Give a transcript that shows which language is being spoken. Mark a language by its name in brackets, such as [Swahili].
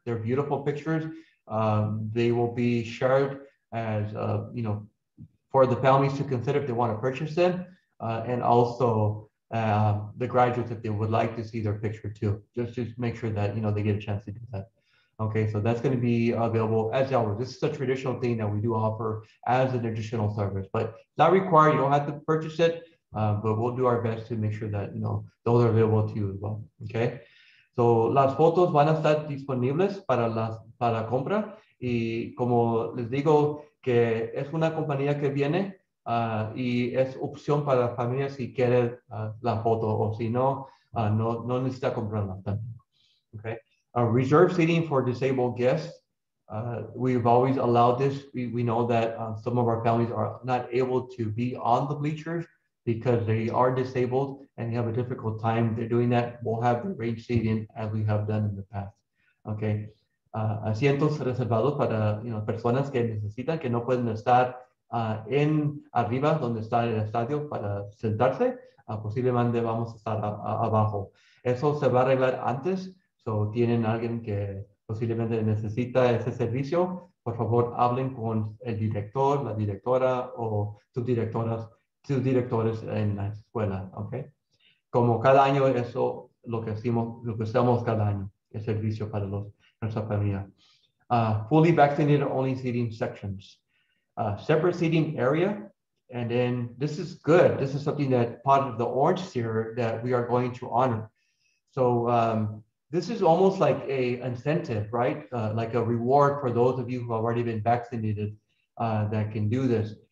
[English] They're beautiful pictures. They will be shared as, for the families to consider if they want to purchase them, and also the graduates if they would like to see their picture too, just to make sure that, you know, they get a chance to do that. Okay, so that's going to be available as always. This is a traditional thing that we do offer as an additional service, but not required. You don't have to purchase it. But we'll do our best to make sure that, you know, those are available to you as well, okay? [Spanish] So las fotos van a estar disponibles para compra. Y como les digo, que es una compañía que viene y es opción para la familia si quiere la foto o si no, no necesita comprarla también, okay? [English] Reserve seating for disabled guests. We've always allowed this. We know that some of our families are not able to be on the bleachers because they are disabled and they have a difficult time. They're doing that. We'll have the range seating as we have done in the past. [Spanish] Okay. Asientos reservados para, you know, personas que necesitan, que no pueden estar en arriba donde está el estadio para sentarse. Posiblemente vamos a estar abajo. Eso se va a arreglar antes. So tienen alguien que posiblemente necesita ese servicio. Por favor, hablen con el director, la directora o subdirectoras. Sus directores en la escuela, okay? Como cada año, eso lo que hacemos, lo que hacemos cada año, el servicio para los nuestra familia. [English] Fully vaccinated only seating sections. Separate seating area, and then this is good. This is something that part of the orange tier that we are going to honor. So this is almost like a incentive, right? Like a reward for those of you who have already been vaccinated that can do this.